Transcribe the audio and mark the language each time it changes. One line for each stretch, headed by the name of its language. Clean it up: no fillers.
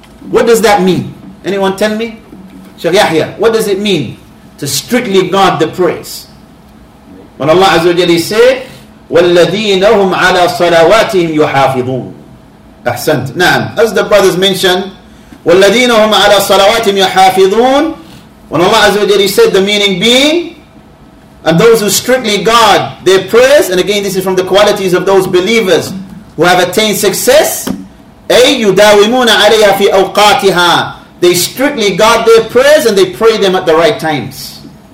English: What does that mean? Anyone tell me? Shaykh Yahya, what does it mean to strictly guard the prayers? When Allah Azza wa Jalla said,
Arabic: وَالَّذِينَ هُمْ عَلَى صَلَوَاتِهِمْ يُحَافِظُونَ. أحسنت. نعم.
English: As the brothers mentioned,
Arabic: وَالَّذِينَ هُمْ عَلَى صَلَوَاتِهِمْ يُحَافِظُونَ.
English: When Allah Azza wa Jalla said, the meaning being, and those who strictly guard their prayers, and again this is from the qualities of those believers who have attained success,
Arabic: أي يُدَاوِمُونَ عَلَيْهَا فِي أَوْقَاتِهَا.
English: They strictly guard their prayers and they pray them at the right times.